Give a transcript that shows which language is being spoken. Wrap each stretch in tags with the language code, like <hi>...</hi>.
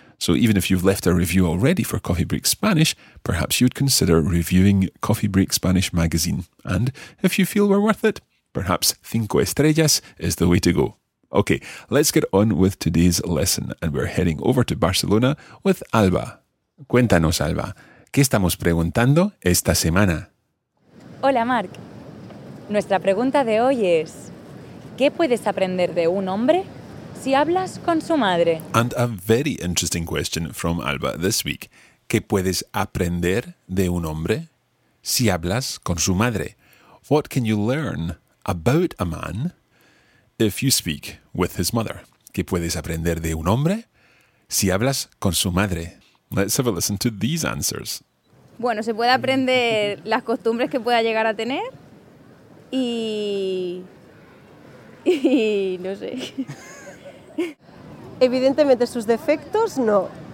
<en>So even if you've left a review already for Coffee Break Spanish, perhaps you'd consider reviewing Coffee Break Spanish magazine. And if you feel we're worth it, perhaps</en> <es>cinco estrellas</es> <en>is the way to go. Okay, let's get on with today's lesson. And we're heading over to Barcelona with Alba.</en> <es>Cuéntanos, Alba, ¿qué estamos preguntando esta semana? Hola, Marc. Nuestra pregunta de hoy es... ¿Qué puedes aprender de un hombre si hablas con su madre?</es> <en>And a very interesting question from Alba this week.</en> <es>¿Qué puedes aprender de un hombre si hablas con su madre?</es> <en>What can you learn about a man if you speak with his mother?</en> <es>¿Qué puedes aprender de un hombre si hablas con su madre?</es> <en>Let's have a listen to these answers.</en> <es>Bueno, se puede aprender las costumbres que pueda llegar a tener y... Y no sé. Evidentemente sus defectos no.</es>